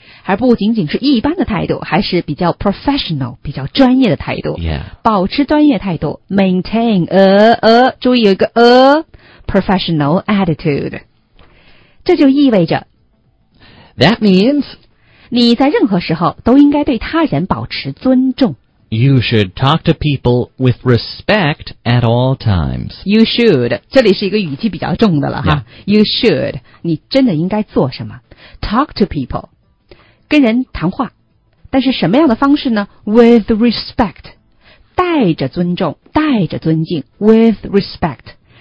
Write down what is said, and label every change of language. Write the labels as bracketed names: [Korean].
[Chinese] 还不仅仅是一般的态度，还是比较 professional, 比较专业的态度。 [English] Yeah. [Chinese] 保持专业态度 , [English] maintain [Chinese] 注意有一个 [English] professional attitude. [Chinese] 这就意味着 [English] That means [Chinese] 你在任何时候都应该对他人保持尊重。 [English] You should talk to people with respect at all times. You should. [Chinese] 这里是一个语气比较重的了哈。 [English] Yeah. You should. [Chinese] 你真的应该做什么 ? [English] Talk to people. [Chinese] 跟人谈话。但是什么样的方式呢 ? [English] With respect. [Chinese] 带着尊重带着尊敬 , [English] with respect.